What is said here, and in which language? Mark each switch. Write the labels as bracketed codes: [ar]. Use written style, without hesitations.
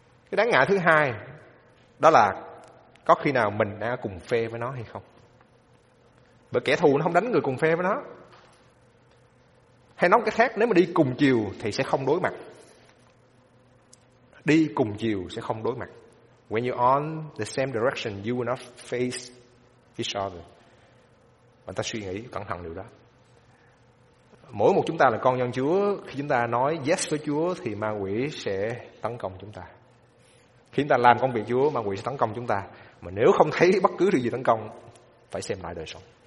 [vi] Cái đáng ngại thứ hai đó là có khi nào mình đã cùng phe với nó hay không? Bởi kẻ thù nó không đánh người cùng phe với nó. Hay nói cái khác, nếu mà đi cùng chiều thì sẽ không đối mặt. Đi cùng chiều sẽ không đối mặt. [en] When you're on the same direction, you will not face each other. [vi] Và ta suy nghĩ cẩn thận điều đó. Mỗi một chúng ta là con dân Chúa, khi chúng ta nói yes với Chúa thì ma quỷ sẽ tấn công chúng ta. Khi chúng ta làm công việc Chúa, ma quỷ sẽ tấn công chúng ta. Mà nếu không thấy bất cứ điều gì tấn công, phải xem lại đời sống.